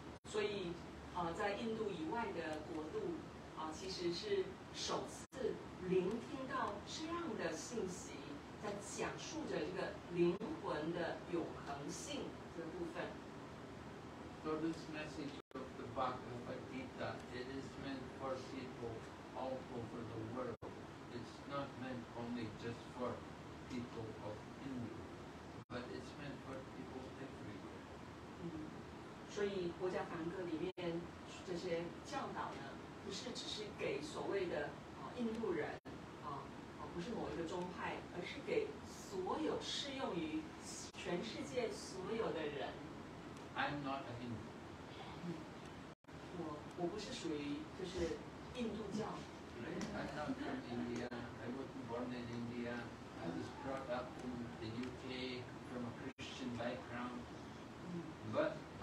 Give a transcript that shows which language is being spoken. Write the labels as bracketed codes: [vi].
[zh] 所以，在印度以外的国度，其实是首次聆听到这样的信息，在讲述着这个灵魂的永恒性这部分。 [en] So this message of the Bhagavad Gita, it is meant for people all over the world. It's not meant only just for people of India, but it's meant for people everywhere. [zh] 所以国家梵歌里面这些教导呢，不是只是给所谓的印度人不是某一个宗派，而是给所有适用于全世界所有的人。 [en] I'm not a Hindu. [zh] 我不是属于就是印度教。 [en] I'm not from India. I wasn't born in India. I was brought up in the UK from a Christian background. But